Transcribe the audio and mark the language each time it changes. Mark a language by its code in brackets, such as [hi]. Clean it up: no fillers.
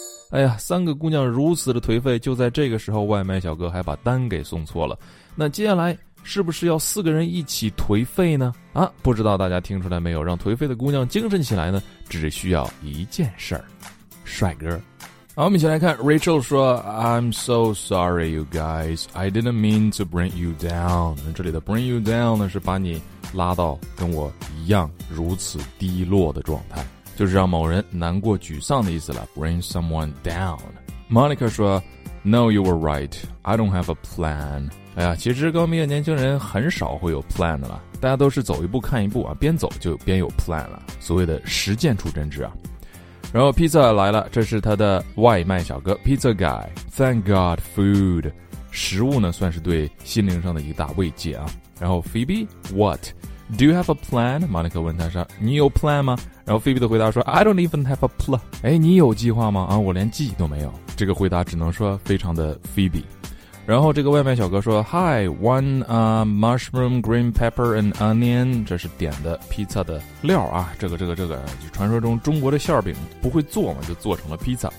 [zh] 哎呀，三个姑娘如此的颓废，就在这个时候，外卖小哥还把单给送错了。那接下来是不是要四个人一起颓废呢？啊，不知道大家听出来没有，让颓废的姑娘精神起来呢，只需要一件事儿，帅哥。好，我们一起来看 [en] Rachel 说 I'm so sorry you guys, I didn't mean to bring you down. [zh] 这里的 [en] bring you down [zh] 呢，是把你拉到跟我一样如此低落的状态，就是让某人难过沮丧的意思了， [en] bring someone down. Monica 说 No, you were right, I don't have a plan. [zh] 哎呀，其实高明的年轻人很少会有 plan 的了，大家都是走一步看一步啊，边走就边有 plan 了，所谓的实践出真知啊。然后 Pizza 来了，这是他的外卖小哥 Pizza Guy. [en] Thank God food. [zh] 食物呢算是对心灵上的一大慰藉啊。然后 [en] Phoebe, what? Do you have a plan? Monica [zh] 问他说你有 plan 吗？然后 Phoebe 的回答说 [en] I don't even have a plan. [zh] 哎，你有计划吗？啊，我连计都没有。这个回答只能说非常的 Phoebe。然后这个外卖小哥说 [en] Hi, one mushroom, green pepper and onion. [zh] 这是点的 Pizza 的料啊，这个就传说中中国的馅饼不会做嘛，就做成了 pizza。